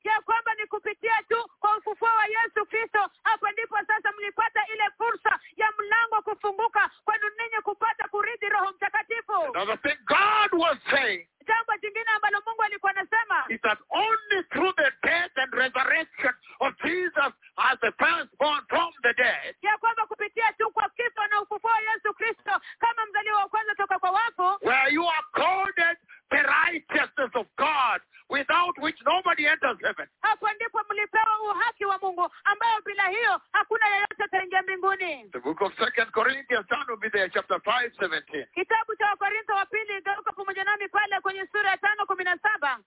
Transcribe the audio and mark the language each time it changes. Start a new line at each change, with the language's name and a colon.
Swahili: Ya kwamba ni kupitia tu kwa ufufuo wa Yesu Kristo, hapo ndipo sasa mlipata ile fursa ya mlango kufunguka kwenu ninyi kupata kurithi Roho Mtakatifu.
English: Another thing God was saying.
Swahili: Jambo jingine ambalo Mungu alikuwa anasema.
English: Is that only through the death and resurrection of Jesus as the firstborn from the dead.
Swahili: Ya kwamba kupitia tu kwa Kristo na ufufuo wa Yesu Kristo kama mzaliwa wa kwanza toka kwa wafu.
English: Where you are called the righteousness of God, without which nobody enters heaven.
Swahili: Hapo ndipo mlipewa uhaki wa Mungu, ambayo bila hiyo, hakuna yeyote ataingia mbinguni.
English: The book of 2 Corinthians, turn to be there, chapter 5:17.
Swahili: Kitabu cha Wakorintho wa pili, geuka pamoja nami pale kwenye sura ya 5:17.